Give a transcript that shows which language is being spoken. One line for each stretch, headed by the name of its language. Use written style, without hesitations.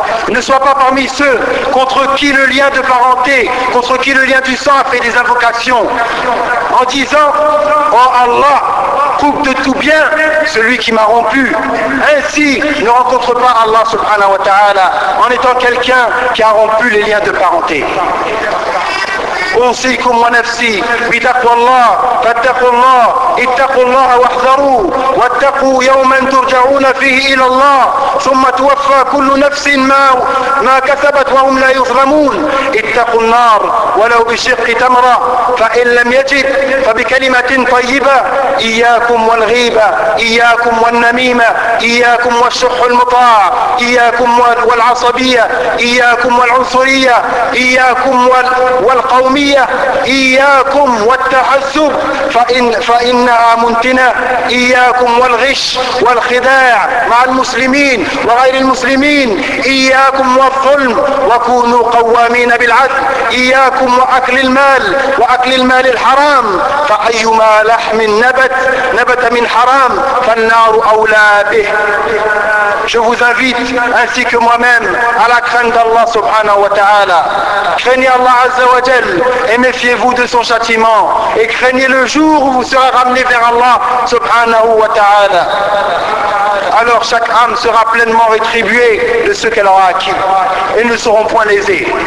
French: Ne sois pas parmi ceux contre qui le lien de parenté, contre qui le lien du sang a fait des invocations, en disant, oh Allah, coupe de tout bien celui qui m'a rompu. Ainsi, ne rencontre pas Allah subhanahu wa ta'ala en étant quelqu'un qui a rompu les liens de parenté.
Arabic: أوصيكم ونفسي بتقوى الله، فاتقوا الله، اتقوا الله واحذروا، واتقوا يوما ترجعون فيه إلى الله، ثم توفى كل نفس ما كسبت وهم لا يظلمون. اتقوا النار ولو بشق تمرة، فإن لم يجد فبكلمة طيبة. إياكم والغيبة، إياكم والنميمة، إياكم والشح المطاع، إياكم والعصبية، إياكم والعنصرية، إياكم والقومية، إياكم والتحزب، فإنها منتنة. إياكم والغش والخداع مع المسلمين وغير المسلمين، إياكم والظلم، وكونوا قوامين بالعدل. إياكم وأكل المال، وأكل المال الحرام، فأيما لحم نبت من حرام فالنار أولى به.
French: Je vous invite ainsi que moi-même à la crainte d'Allah subhanahu wa ta'ala. Craignez Allah azza wa jal et méfiez-vous de son châtiment, et craignez le jour où vous serez ramené vers Allah subhanahu wa ta'ala. Alors chaque âme sera pleinement rétribuée de ce qu'elle aura acquis et ne seront point lésées.